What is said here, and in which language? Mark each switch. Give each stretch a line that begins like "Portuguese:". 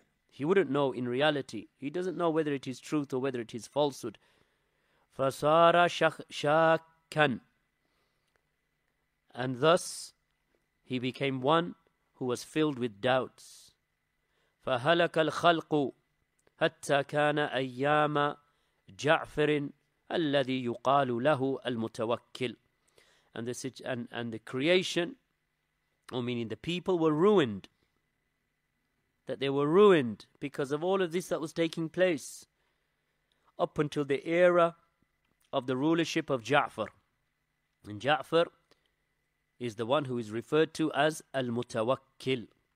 English: He wouldn't know in reality. He doesn't know whether it is truth or whether it is falsehood.
Arabic: فَسَارَ شَاكًا
English: And thus, he became one who was filled with doubts.
Arabic: فَهَلَكَ الْخَلْقُ حَتَّى كَانَ أَيَّامَ جَعْفَرٍ الَّذِي يُقَالُ لَهُ الْمُتَوَكِّلُ
English: And the creation, or meaning the people, were ruined. That they were ruined because of all of this that was taking place up until the era of the rulership of Ja'far. And Ja'far is the one who is referred to as Al-Mutawakkil.